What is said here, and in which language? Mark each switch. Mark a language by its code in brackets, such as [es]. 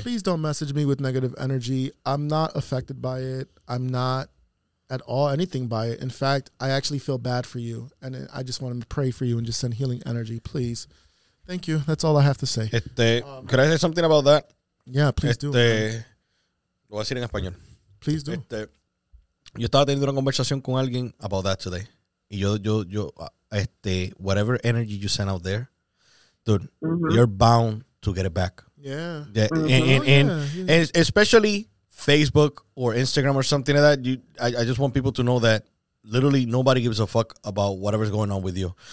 [en] Please don't message me with negative energy. I'm not affected by it. I'm not at all anything by it. In fact, I actually feel bad for you, and I just want to pray for you and just send healing energy, please. Thank you. That's all I have to say. Could I say something about that? Yeah, please do. [es] Lo voy a decir en español. [en] Please do. [es] Yo estaba teniendo una conversación con alguien [en] about that today. [es] Y yo, [en] whatever energy you send out there, dude, you're bound to get it back. Yeah. And especially Facebook or Instagram or something like that. I just want people to know that literally nobody gives a fuck about whatever's going on with you.